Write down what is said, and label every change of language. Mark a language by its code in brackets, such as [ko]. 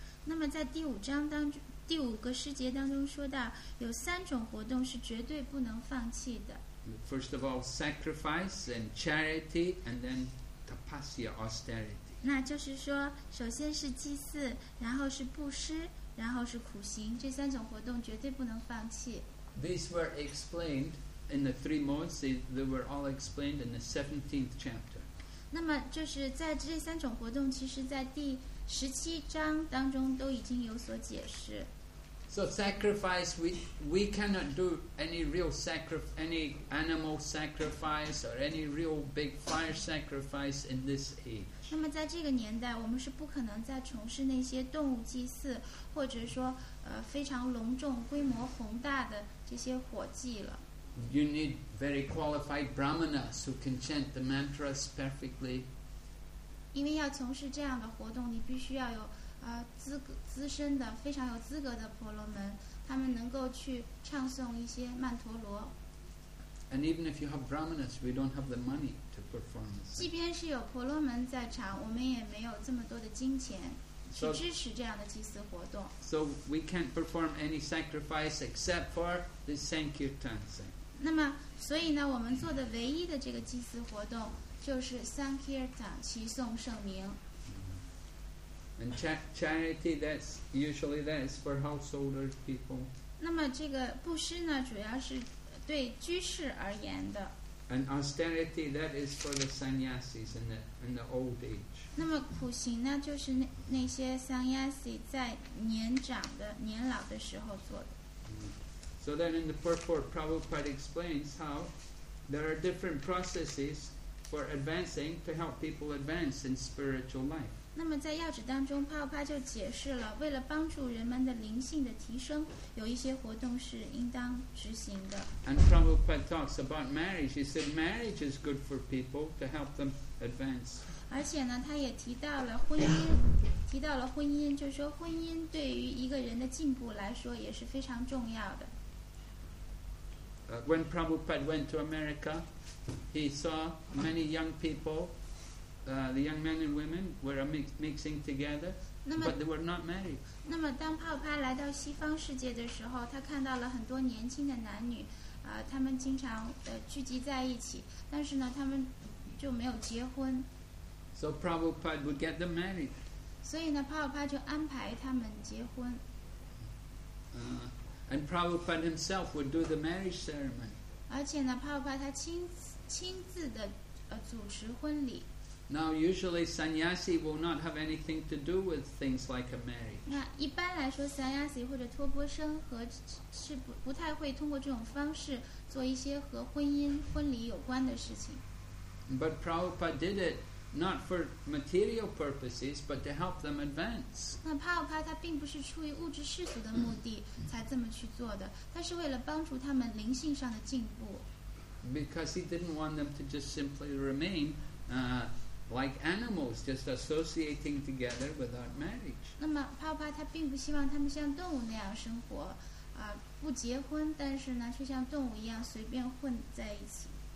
[zh] 那么在第五章当中，第五个师节当中说到，有三种活动是绝对不能放弃的。 [en] First of all, sacrifice and charity, and then tapasya austerity. [zh] 那就是说，首先是祭祀，然后是布施，然后是苦行，这三种活动绝对不能放弃。 [en] These were explained in the three modes. They were all explained in the 17th chapter. [zh] 那么就是在这三种活动，其实在第十七章当中都已经有所解释。 [en] So sacrifice, we cannot do any real sacrifice, any animal sacrifice or any real big fire sacrifice in this age. [zh] 那么在这个年代，我们是不可能再从事那些动物祭祀，或者说非常隆重、规模宏大的这些火祭了。 [en] You need very qualified brahmanas who can chant the mantras perfectly. [zh] 因为要从事这样的活动，你必须要有资深的非常有资格的婆罗门，他们能够去唱诵一些曼陀罗。 [en] And even if you have brahmanas, we don't have the money to perform. [zh] 即便是有婆罗门在场，我们也没有这么多的金钱去支持这样的祭祀活动。 [en] So we can't perform any sacrifice except for the sankirtan thing. [zh] 那么，所以呢，我们做的唯一的这个祭祀活动就是 sankirtan， 齐颂圣名。 [en] And charity, that's usually that's for householder people. [zh] 那么这个布施呢，主要是对居士而言的。 [en] And austerity, that is for the sannyasis in the old age. [zh] 那么苦行呢，就是那些 sannyasi 在年长的年老的时候做的。 [en] So then in the purport, Prabhupada explains how there are different processes for advancing to help people advance in spiritual life. [zh] 那么在要旨当中，帕帕就解释了，为了帮助人们的灵性的提升，有一些活动是应当执行的。 [en] And Prabhupada talks about marriage. He said marriage is good for people to help them advance. [zh] 而且呢，他也提到了婚姻，提到了婚姻，就是说婚姻对于一个人的进步来说也是非常重要的。 [en] When Prabhupada went to America, he saw many young people. The young men and women were mixing together, but they were not married. [zh] 那么当帕帕来到西方世界的时候，他看到了很多年轻的男女，他们经常聚集在一起，但是呢，他们就没有结婚。 [en] So Prabhupada would get them married. [zh] 所以呢，帕帕就安排他们结婚。 [en] And Prabhupada himself would do the marriage ceremony. [zh] 而且呢，帕帕他亲自的主持婚礼。 [en] Now, usually, sannyasi will not have anything to do with things like a marriage. [zh] 那一般来说 ，sannyasi 或者托钵生和是不太会通过这种方式做一些和婚姻、婚礼有关的事情。 [en] But Prabhupada did it not for material purposes, but to help them advance. [zh] 那帕奥帕他并不是出于物质世俗的目的才这么去做的，他是为了帮助他们灵性上的进步。 [en] Because he didn't want them to just simply remain. Like animals, just associating together without marriage. [zh] 那么帕帕他并不希望他们像动物那样生活，不结婚，但是呢，却像动物一样随便混在一起。